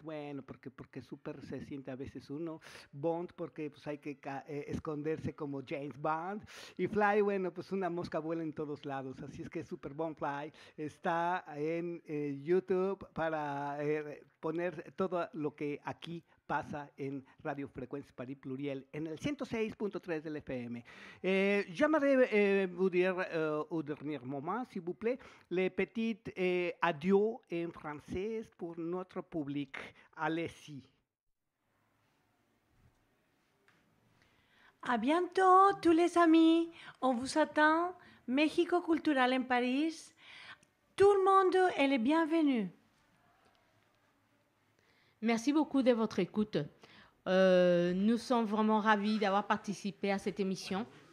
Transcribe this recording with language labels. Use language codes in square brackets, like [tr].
[es] Bueno, porque super se siente a veces uno, Bond porque pues hay que esconderse como James Bond, y Fly, bueno, pues una mosca vuela en todos lados, así es que Super Bonfly está en YouTube para poner todo lo que aquí pasa en Radio Frecuencia París Pluriel en el 106.3 del FM. [fr] Llamaré dernier moment, s'il vous plaît, le petit adieu en francés pour notre public. Allez-y. A bientôt, tous les amis. On vous attend. México Cultural en París. Tout le monde est le bienvenu. Merci beaucoup de votre écoute. Nous sommes vraiment ravis d'avoir participé à cette émission.